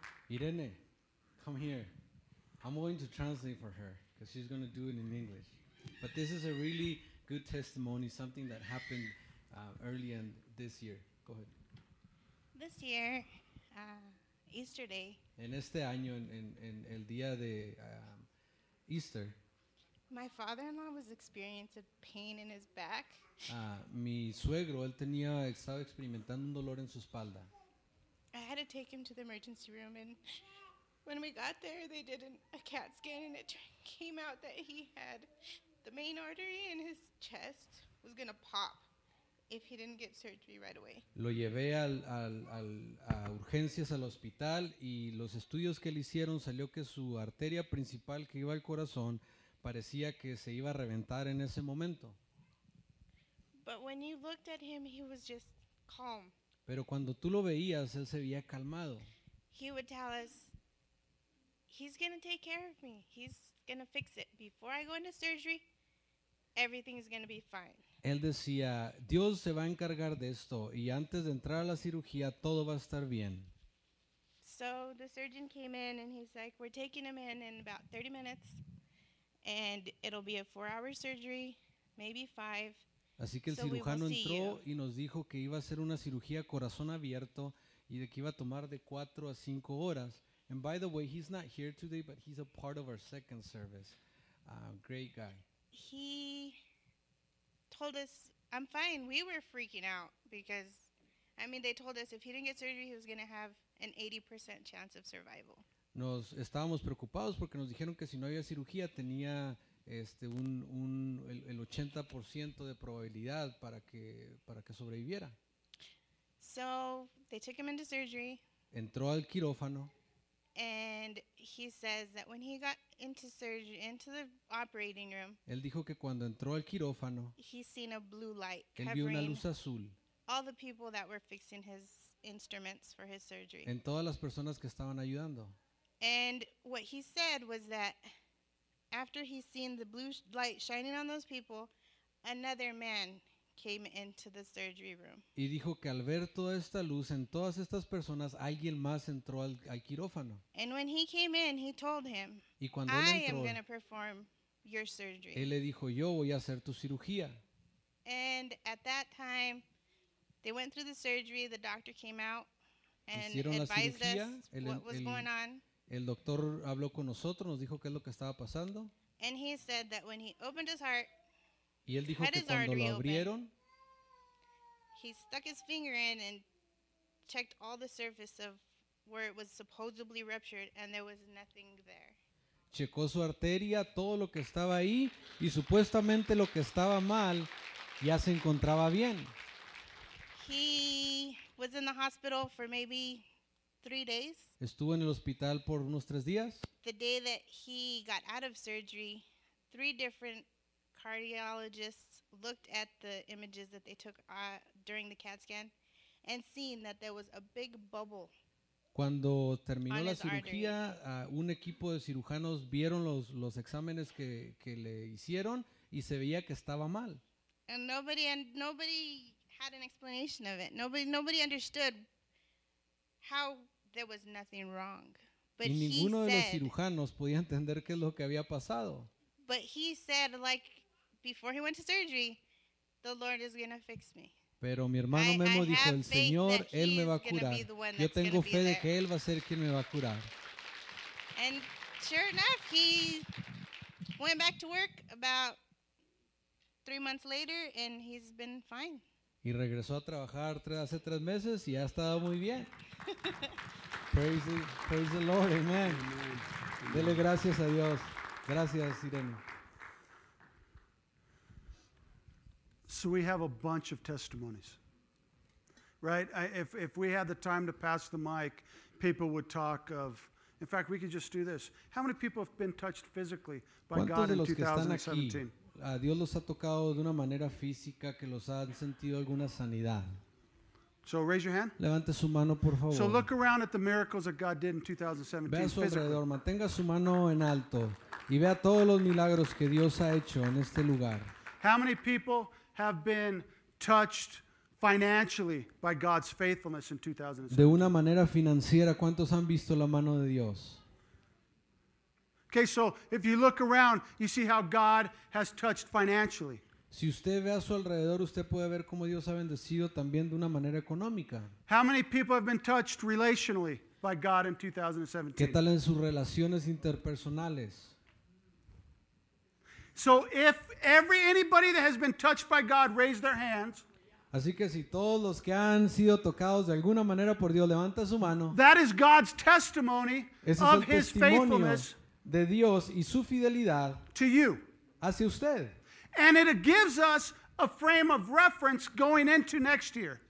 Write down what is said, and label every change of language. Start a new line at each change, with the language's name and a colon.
English: Irene, come here. I'm going to translate for her because she's going to do it in English. But this is a really good testimony, something that happened early in this year. Go ahead. This year, Easter Day.
Spanish: En este año, en el día de Easter.
English: My father-in-law was experiencing pain in his back.
Spanish: Mi suegro, él tenía, estaba experimentando un dolor en su espalda.
English: I had to take him to the emergency room, and when we got there, they did a CAT scan, and it came out that he had The main artery in his chest was going to pop if he didn't get surgery right away.
Spanish: Lo llevé a urgencias al hospital y los estudios que le hicieron salió que su arteria principal que iba al corazón parecía que se iba a reventar en ese momento.
English: But when you looked at him, he was just calm.
Spanish: Pero cuando tú lo veías, él se veía calmado.
English: He would tell us, he's going to take care of me. He's going to fix it. Before I go into surgery, everything's going to be fine.
Spanish: Él decía, Dios se va a encargar de esto y antes de entrar a la cirugía, todo va a estar bien.
English: So the surgeon came in and he's like, we're taking him in about 30 minutes and it'll be a 4-hour surgery, maybe 5.
Spanish: Así que el cirujano entró y nos dijo que iba a hacer una cirugía corazón abierto y de que iba a tomar de 4 a 5 horas.
English: And by the way, he's not here today, but he's a part of our second service. Great guy. He told us, I'm fine. We were freaking out because, I mean, they told us if he didn't get surgery, he was going to have an 80% chance of survival.
Spanish: Nos estábamos preocupados porque nos dijeron que si no había cirugía tenía... el 80% de probabilidad para que sobreviviera.
English: So they took him into surgery.
Spanish: Entró al quirófano.
English: And he says that when he got into surgery, into the operating room.
Spanish: Él dijo que cuando entró al quirófano.
English: He seen a blue light.
Spanish: Él vio una luz azul.
English: All the people that were fixing his instruments for his surgery.
Spanish: En todas las personas que estaban ayudando.
English: And what he said was that. After he seen the blue light shining on those people, another man came into the surgery room.
Spanish: Y dijo que al ver toda esta luz en todas estas personas, alguien más entró al quirófano.
English: And when he came in, he told him,
Spanish: y cuando él entró,
English: I am going to perform your surgery.
Spanish: Él le dijo, yo voy a hacer tu cirugía.
English: And at that time, they went through the surgery, the doctor came out and
Spanish: hicieron
English: advised
Spanish: la cirugía,
English: us what was going on.
Spanish: El doctor habló con nosotros, nos dijo qué es lo que estaba pasando.
English: And he said that when he opened his heart,
Spanish: y él dijo que cuando lo abrieron,
English: open, he stuck his finger in and checked all the surface of where it was supposedly ruptured and there was nothing there.
Spanish: Checó su arteria, todo lo que estaba ahí y supuestamente lo que estaba mal ya se encontraba bien.
English: He was in the hospital for maybe 3 days.
Spanish: Estuvo en el hospital por unos 3 días.
English: The day that he got out of surgery, 3 different cardiologists looked at the images that they took during the CAT scan and seen that there was a big bubble.
Spanish: Cuando terminó la cirugía, un equipo de cirujanos vieron los exámenes que le hicieron y se veía que estaba mal.
English: And nobody had an explanation of it. Nobody understood how there was nothing wrong. But
Spanish: y ninguno
English: he said,
Spanish: de los cirujanos podía entender qué es lo que había pasado.
English: But he said, like, before he went to surgery, the Lord is going to fix me.
Spanish: Pero mi hermano Memo dijo, el Señor, Él me va a curar. Yo tengo fe de que Él va a ser quien me va a curar.
English: And sure enough, he went back to work about 3 months later, and he's been fine.
Spanish: Y regresó a trabajar hace 3 meses y ha estado muy bien.
English: Praise the Lord, amen.
Spanish: Dele gracias a Dios. Gracias, Irene.
English: So we have a bunch of testimonies, right? If we had the time to pass the mic, people would talk of, in fact, we could just do this. How many people have been touched physically by God in 2017?
Spanish: A Dios los ha tocado de una manera física que los han sentido alguna sanidad.
English: So raise your hand.
Spanish: Levante su mano, por favor.
English: So look around at the miracles that God did in 2017.
Spanish: Vea a su alrededor, mantenga su mano en alto y vea todos los milagros que Dios ha hecho en este lugar.
English: How many people have been touched financially by God's faithfulness in 2017?
Spanish: De una manera financiera, ¿cuántos han visto la mano de Dios?
English: Okay, so if you look around, you see how God has touched financially.
Spanish: Si usted ve a su alrededor, usted puede ver cómo Dios ha bendecido también de una manera económica.
English: How many people have been touched relationally by God in 2017?
Spanish: ¿Qué tal en sus relaciones interpersonales?
English: So if anybody that has been touched by God, raise their hands.
Spanish: Así que si todos los que han sido tocados de alguna manera por Dios, levanta su mano.
English: That is God's testimony of his faithfulness
Spanish: de Dios y su fidelidad
English: to you.
Spanish: Hacia usted.
English: And it gives us a frame of reference going into next year.